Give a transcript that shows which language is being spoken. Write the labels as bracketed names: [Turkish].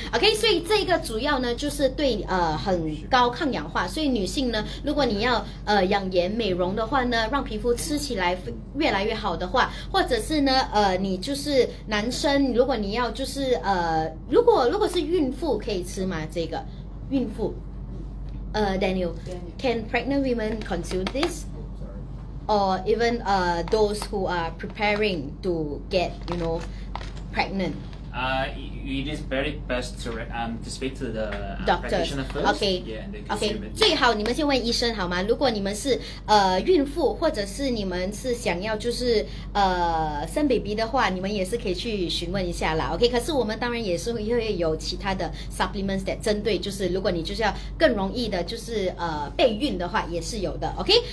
[Chinese] OK， 所以这个主要呢，就是对很高抗氧化，所以女性呢，如果你要养颜美容的话呢，让皮肤吃起来越来越好的话，或者是呢你就是男生，如果你要就是如果是孕妇可以吃吗？这个孕妇 [English] Daniel can pregnant women consume this or even those who are preparing to get you know pregnant It is very best to speak to the doctor first. Okay. Yeah, okay. [Chinese] 最好你们先问医生好吗？如果你们是孕妇，或者是你们是想要就是生 baby 的话，你们也是可以去询问一下啦。 Okay. 可是我们当然也是会有其他的 [English] supplements that [Chinese] 针对就是如果你就是要更容易的就是备孕的话，也是有的。Okay.